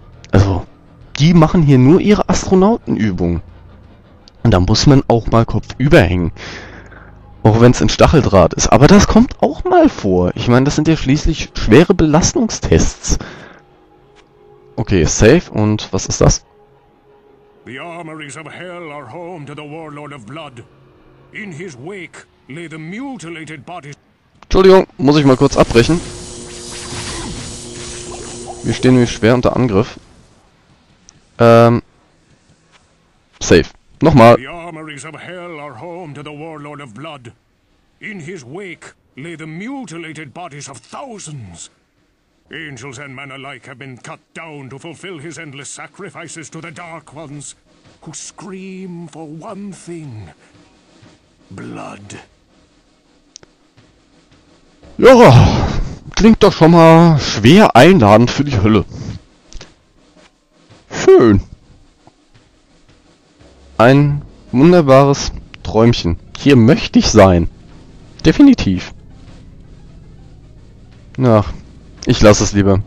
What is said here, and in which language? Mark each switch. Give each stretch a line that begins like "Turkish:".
German: Also, die machen hier nur ihre Astronautenübungen. Und da muss man auch mal kopfüber hängen. Auch wenn es in Stacheldraht ist. Aber das kommt auch mal vor. Ich meine, das sind ja schließlich schwere Belastungstests. Okay, safe. Und was ist das?
English: The armories of hell are home to the warlord of blood. In his wake lay the mutilated body.
German: Entschuldigung, muss ich mal kurz abbrechen. Wir stehen nämlich schwer unter Angriff. Safe. Nochmal.
English: The armories of hell are home to the warlord of blood. In his wake lay the mutilated bodies of thousands. Angels and men alike have been cut down to fulfill his endless sacrifices to the dark ones, who scream for one thing: blood.
German: Ja, klingt doch schon mal schwer einladend für die Hölle. Schön. Ein wunderbares Träumchen. Hier möchte ich sein. Definitiv. Na, Ich lasse es lieber.